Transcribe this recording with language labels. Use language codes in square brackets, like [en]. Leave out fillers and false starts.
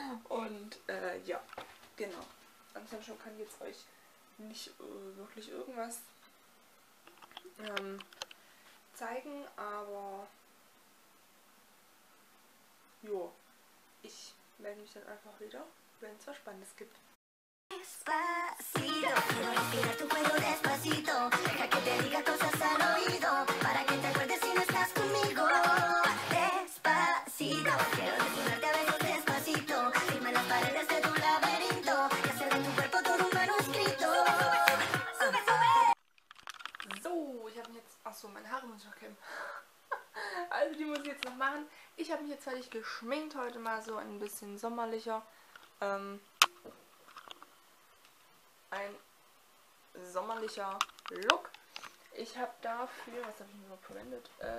[de] Und ja, genau. Ansonsten kann ich jetzt euch nicht wirklich irgendwas zeigen, aber jo, ich melde mich dann einfach wieder, wenn es was Spannendes gibt. [es] Despacito, quiero respirar tu cuello despacito, deja que te diga cosas al oído, para que te acuerdes si no estás conmigo. Despacito, quiero desnudarte a besos despacito, firma las paredes de tu laberinto, y hacer de tu cuerpo todo un manuscrito. [de] So, ich habe jetzt, achso, meine Haare muss ich noch kämmen. Also die muss ich jetzt noch machen. Ich habe mich jetzt fertig geschminkt heute mal so ein bisschen sommerlicher. Ein sommerlicher Look. Ich habe dafür, was habe ich mir noch verwendet?